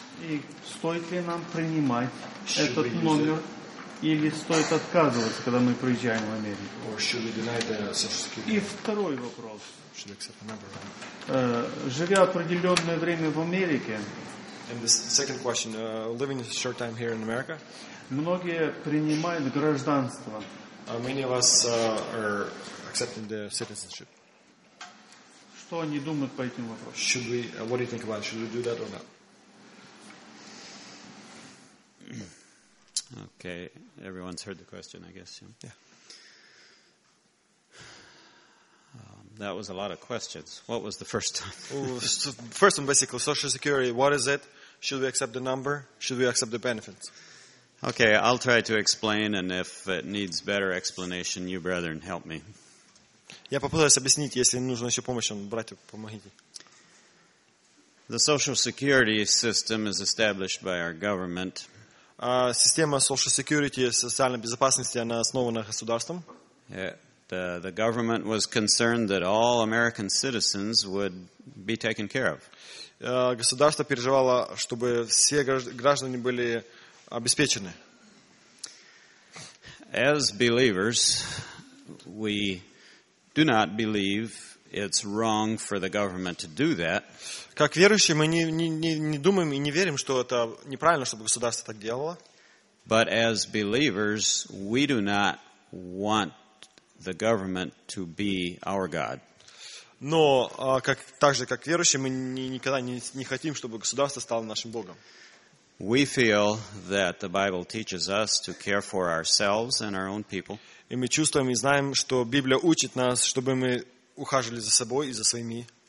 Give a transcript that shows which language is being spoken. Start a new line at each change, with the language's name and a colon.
Russian: И стоит ли нам принимать этот номер или стоит отказываться, когда мы приезжаем в Америку?
English: Or should we deny the social security?
Russian: И второй вопрос.
English: Should we accept another one?
Russian: Живя определенное время в Америке.
English: And the second question, living a short time here in America.
Russian: Многие принимают гражданство.
English: Many of us are accepting the citizenship.
Russian: Что они думают по этим вопросам?
English: Should we? What do you think about it? Should we do that or not? Okay, everyone's heard the question, I guess. Yeah. Yeah. That was a lot of questions. What was the first one? First one, basically, social security. What is it? Should we accept the number? Should we accept the benefits? Okay, I'll try to explain, and if it needs better explanation, you brethren, help me.
Russian: Я попытаюсь объяснить, если нужно еще помощь, братья, помогите.
English: The social security system is established by our government.
Russian: Система social security, социальной безопасности, она основана государством.
English: The government was concerned that all American citizens would be taken care of.
Russian: Государство переживало, чтобы все граждане были обеспечены.
English: As believers, we do not believe it's wrong for the government to do that.
Russian: Как верующие, мы не думаем и не верим, что это неправильно, чтобы государство так делало.
English: But as believers, we do not want the government to be our God.
Russian: Но так же, как верующие, мы никогда не хотим, чтобы государство стало нашим Богом.
English: We feel that the Bible teaches us to care for ourselves and our own people.
Russian: И мы чувствуем и знаем, что Библия учит нас, чтобы мы ухаживали за собой и за своими.